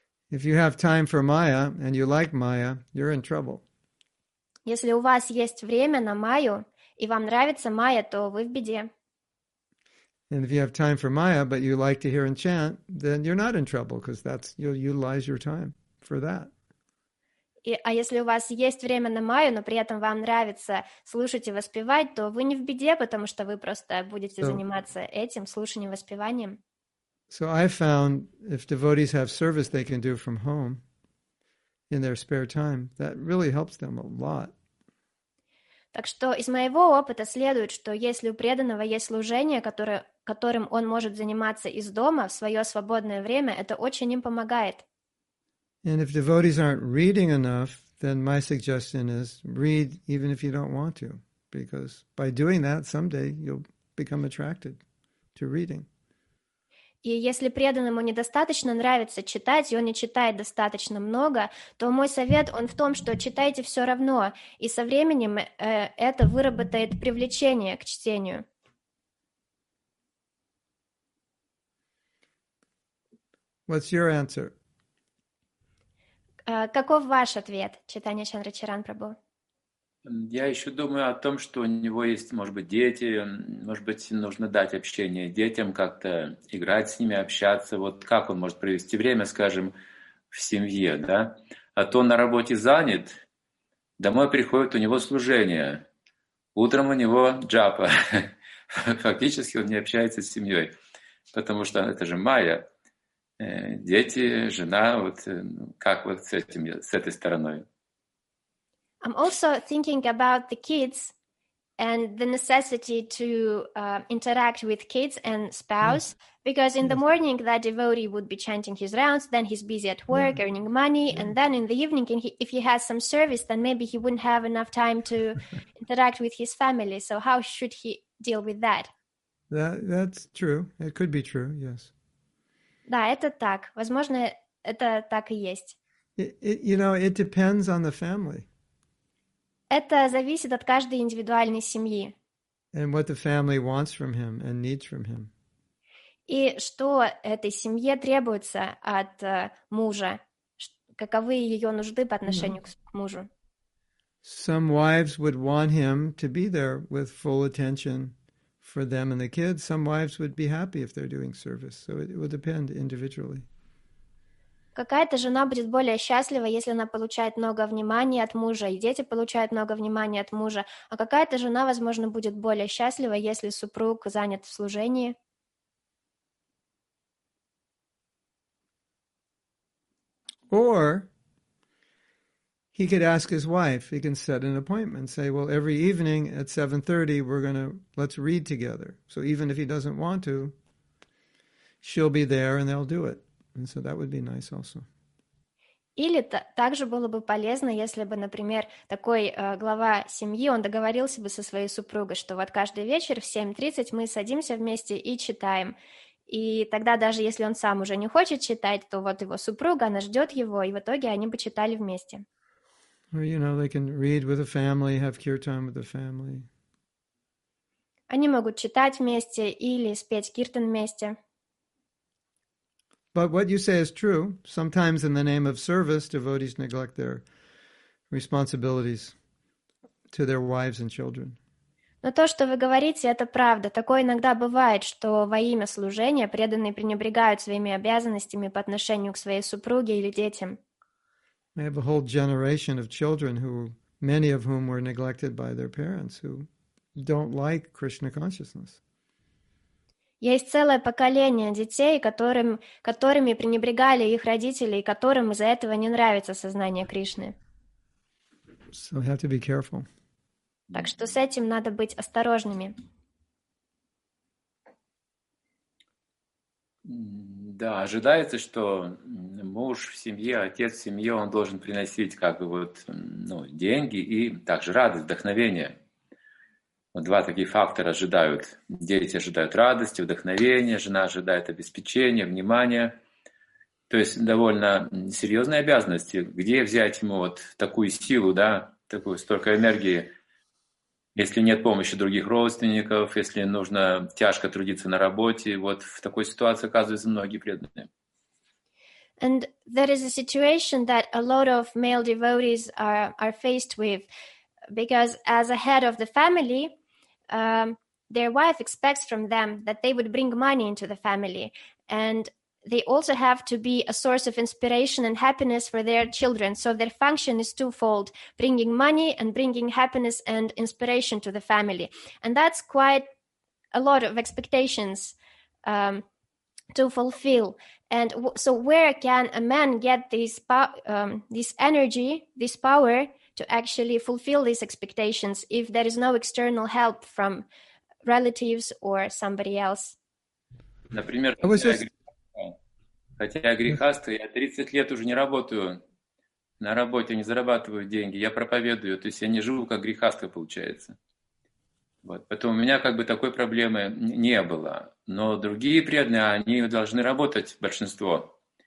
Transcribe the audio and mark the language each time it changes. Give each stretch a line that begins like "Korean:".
English: If you have time for Maya and you like Maya, you're in trouble.
Russian: Если у вас есть время на майю, и вам нравится майя, то вы в беде.
English: And if you have time for Maya, but you like to hear and chant, then you're not in trouble, because that's you'll utilize your time for that.
Russian: А если у вас есть время на майю, но при этом вам нравится слушать и воспевать, то вы не в беде, потому что вы просто будете заниматься этим, слушанием, воспеванием.
English: So I found if devotees have service they can do from home, in their spare time, that really helps them a lot.
Russian: Так что из моего опыта следует, что если у преданного есть служение, которым он может заниматься из дома в свое свободное время, это очень им помогает.
English: And if devotees aren't reading enough, then my suggestion is read even if you don't want to, because by doing that, someday you'll become attracted to reading.
Russian: И если преданному недостаточно нравится читать, и он не читает достаточно много, то мой совет, он в том, что читайте все равно, и со временем это выработает привлечение к чтению.
English: What's your answer?
Russian: Каков ваш ответ, Чайтанья Чандрачаран Прабху? Я еще думаю о том, что у него есть, может быть, дети, может быть, нужно дать общение детям, как-то играть с ними, общаться. Вот как он может провести время, скажем, в семье, да? А то он на работе занят, домой приходит у него служение, утром у него джапа. Фактически он не общается с семьей, потому что это же майя. Дети, жена, вот как вот с этим, с этой стороной?
English: I'm also thinking about the kids and the necessity to interact with kids and spouse, yes. Because in yes. the morning that devotee would be chanting his rounds, then he's busy at work, yeah. earning money, yeah. and then in the evening, if he has some service, then maybe he wouldn't have enough time to interact with his family. So how should he deal with that? That's true. It could be true, yes.
Russian: Да, это так. Возможно, это так и есть.
English: You know, it depends on the family.
Russian: Это зависит от каждой индивидуальной семьи.
English: And what the family wants from him and needs from him.
Russian: И что этой семье требуется от мужа? Каковы ее нужды по отношению к мужу?
English: Some wives would want him to be there with full attention for them and the kids. Some wives would be happy if they're doing service. So it will depend individually.
Russian: Какая-то жена будет более счастлива, если она получает много внимания от мужа, и дети получают много внимания от мужа, а какая-то жена, возможно, будет более счастлива, если супруг занят в служении.
English: Or he could ask his wife, he can set an appointment, say, well, every evening at 7:30 let's read together. So even if he doesn't want to, she'll be there and they'll do it. And so that would be nice also.
Russian: Или также было бы полезно, если бы, например, такой глава семьи, он договорился бы со своей супругой, что вот каждый вечер в 7:30 мы садимся вместе и читаем. И тогда даже если он сам уже не хочет читать, то вот его супруга, она ждет его, и в итоге они бы читали вместе.
English: Well, you know, they can read with the family, have kirtan with the family.
Russian: Они могут читать вместе или спеть киртан вместе.
English: But what you say is true. Sometimes in the name of service, devotees neglect their responsibilities to their wives and children.
Russian: Но то, что вы говорите, это правда. Такое иногда бывает, что во имя служения преданные пренебрегают своими обязанностями по отношению к своей супруге или детям.
English: We have a whole generation of children who, many of whom were neglected by their parents, who don't like Krishna consciousness.
Russian: Есть целое поколение детей, которыми пренебрегали их родители, и которым из-за этого не нравится сознание Кришны.
English: So we have to be careful.
Russian: Так что с этим надо быть осторожными. Да, ожидается, что муж в семье, отец в семье, он должен приносить как бы вот, ну, деньги и также радость, вдохновение. Вот два таких фактора ожидают. Дети ожидают радости, вдохновения, жена ожидает обеспечения, внимания. То есть довольно серьезные обязанности. Где взять ему вот такую силу, да, такую столько энергии, если нет помощи других родственников, если нужно тяжко трудиться на работе. Вот в такой ситуации оказываются многие преданные.
English: And there is a situation that a lot of male devotees are faced with. Because as a head of the family, their wife expects from them that they would bring money into the family. And they also have to be a source of inspiration and happiness for their children. So their function is twofold, bringing money and bringing happiness and inspiration to the family. And that's quite a lot of expectations to fulfill. And so where can a man get this energy, this power, to actually fulfill these expectations if there is no external help from relatives or somebody else?
Russian: Например, Хотя грехастха, я 30 лет уже не работаю на работе, не зарабатываю деньги, я проповедую, то есть я не живу как грехастха, получается. Вот. Поэтому у меня как бы такой проблемы не было. Но другие преданные, они должны работать, большинство.